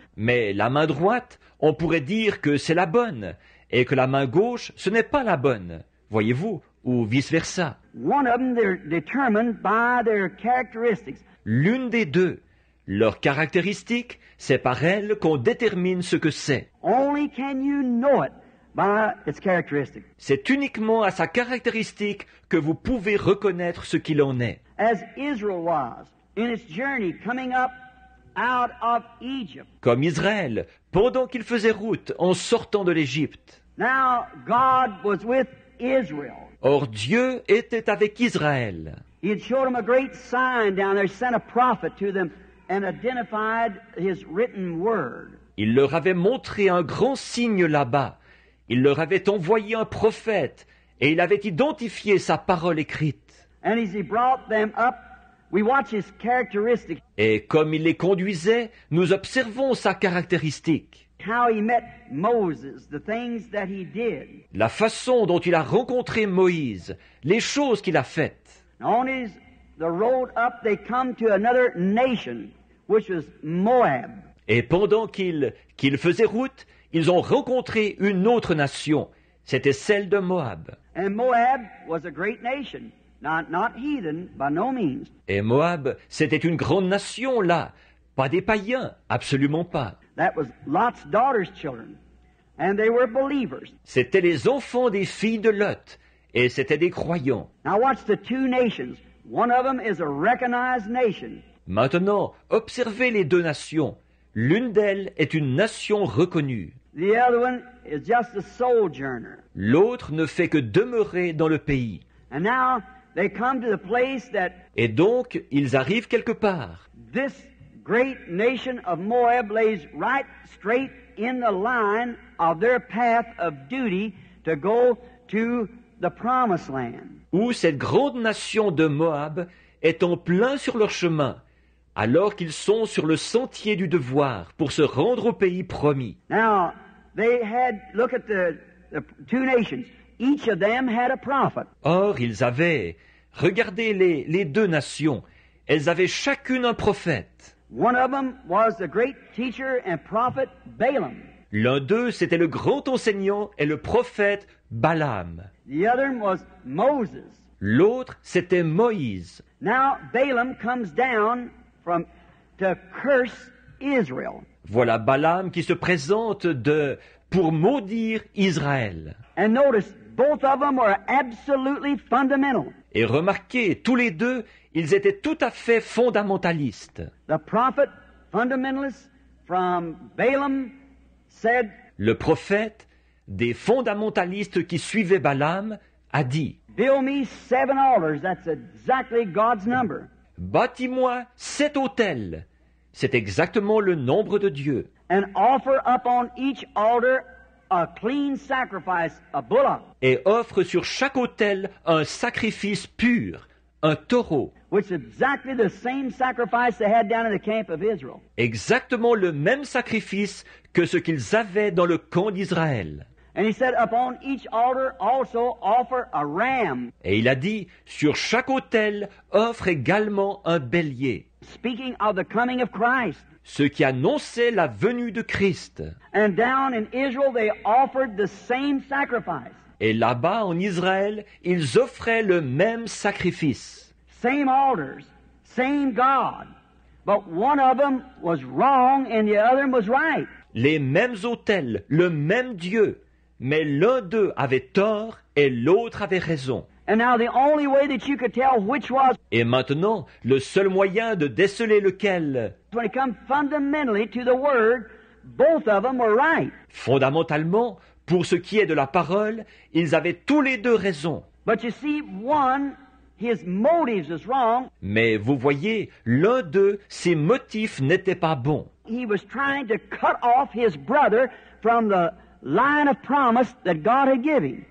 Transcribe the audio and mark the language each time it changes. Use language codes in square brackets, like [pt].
[fr] Mais la main droite, on pourrait dire que c'est la bonne et que la main gauche, ce n'est pas la bonne. Voyez-vous, ou vice versa. [en] One of them, they're determined by their characteristics. [fr] L'une des deux, leurs caractéristiques, c'est par elles qu'on détermine ce que c'est. [en] Only can you know it by its characteristic. [fr] C'est uniquement à sa caractéristique que vous pouvez reconnaître ce qu'il en est. [en] As Israel was in its journey coming up out of Egypt. [fr] Comme Israël, pendant qu'il faisait route en sortant de l'Égypte. [en] Now God was with Israel. [fr] Or Dieu était avec Israël. [en] He had showed them a great sign down there, sent a prophet to them and identified his written word. [fr] Il leur avait montré un grand signe là-bas. Il leur avait envoyé un prophète et il avait identifié sa parole écrite. [en] And as he brought them up, we watch his characteristic. [fr] Et comme il les conduisait, nous observons sa caractéristique. [en] How he met Moses, the things that he did. [fr] La façon dont il a rencontré Moïse, les choses qu'il a faites. [en] On his the road up, they come to another nation, which was Moab. [fr] Et pendant qu'il faisait route, ils ont rencontré une autre nation. C'était celle de Moab. [en] And Moab was a great nation. Not heathen, by no means. [fr] Et Moab, c'était une grande nation là, pas des païens, absolument pas. [en] That was Lot's daughter's children, and they were believers. [fr] C'était les enfants des filles de Lot, et c'était des croyants. [en] Now watch the two nations. One of them is a recognized nation. [fr] Maintenant, observez les deux nations. L'une d'elles est une nation reconnue. [en] The other one is just a sojourner. [fr] L'autre ne fait que demeurer dans le pays. [en] And now they come to the place that. [fr] Et donc, ils arrivent quelque part. [en] This great nation of Moab lays right straight in the line of their path of duty to go to the promised land. [fr] Où cette grande nation de Moab est en plein sur leur chemin, alors qu'ils sont sur le sentier du devoir pour se rendre au pays promis. [en] Now, they had, look at the two nations. Each of them had a prophet. [fr] Or, ils avaient, regardez les deux nations, elles avaient chacune un prophète. [en] One of them was the great teacher and prophet Balaam. [fr] L'un d'eux, c'était le grand enseignant et le prophète Balaam. [en] The other was Moses. [fr] L'autre, c'était Moïse. [en] Now Balaam comes down from to curse Israel. [fr] Voilà Balaam qui se présente pour maudire Israël. [en] And notice, both of them were absolutely fundamental. [fr] Et remarquez, tous les deux, ils étaient tout à fait fondamentalistes. [en] The prophet, fundamentalist from Balaam, said. [fr] Le prophète des fondamentalistes qui suivaient Balaam a dit. [en] Build me seven altars. That's exactly God's number. [fr] Bâtis-moi sept autels. C'est exactement le nombre de Dieu. [en] And offer up on each altar a clean sacrifice, a bullock. [fr] Et offre sur chaque autel un sacrifice pur, un taureau. [en] Which is exactly the same sacrifice they had down in the camp of Israel. [fr] Exactement le même sacrifice que ce qu'ils avaient dans le camp d'Israël. [en] And he said, upon each altar also offer a ram. [fr] Et il a dit, sur chaque autel offre également un bélier. [en] Speaking of the coming of Christ. [fr] Ce qui annonçait la venue de Christ. [en] And down in Israel they offered the same sacrifice. [fr] Et là-bas en Israël, ils offraient le même sacrifice. [en] Same altars, same God, but one of them was wrong and the other was right. [fr] Les mêmes autels, le même Dieu, mais l'un d'eux avait tort et l'autre avait raison. [en] And now the only way that you could tell which was. [fr] Et maintenant, le seul moyen de déceler lequel. [en] When it come fundamentally to the word, both of them were right. [fr] Fondamentalement, pour ce qui est de la parole, ils avaient tous les deux raison. [en] But you see, one. His motives is wrong. [fr] Mais vous voyez, l'un d'eux, ses motifs n'étaient pas bons. [en] He was trying to cut off his brother from the line of promise that God had given.